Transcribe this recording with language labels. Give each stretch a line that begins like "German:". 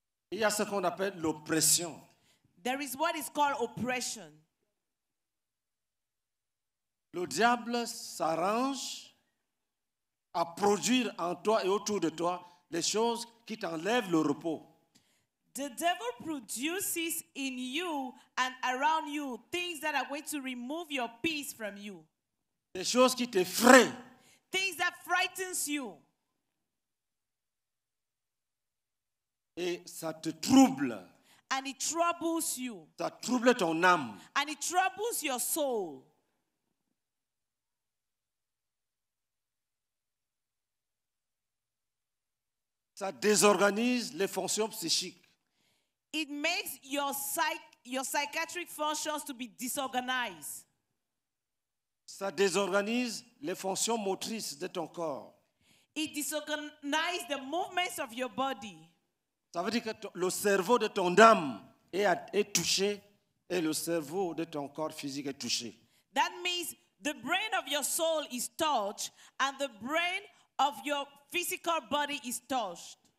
French: Il y a ce qu'on appelle l'oppression.
English: There is what is called oppression.
French: Le diable s'arrange à produire en toi et autour de toi les choses qui t'enlèvent le repos.
English: The devil produces in you and around you things that are going to remove your peace from you.
French: Les choses qui t'effraient.
English: Things that frightens you.
French: Et ça te trouble.
English: And it troubles you.
French: Ça trouble ton âme.
English: And it troubles your soul.
French: Ça désorganise les fonctions psychiques.
English: It makes your psychiatric functions to be disorganized.
French: Ça désorganise les fonctions motrices de ton corps.
English: It disorganizes the movements of your body.
French: Ça veut dire que le cerveau de ton âme est touché et le cerveau de ton corps physique est touché.
English: That means the brain of your soul is touched and the brain of your physical body is touched.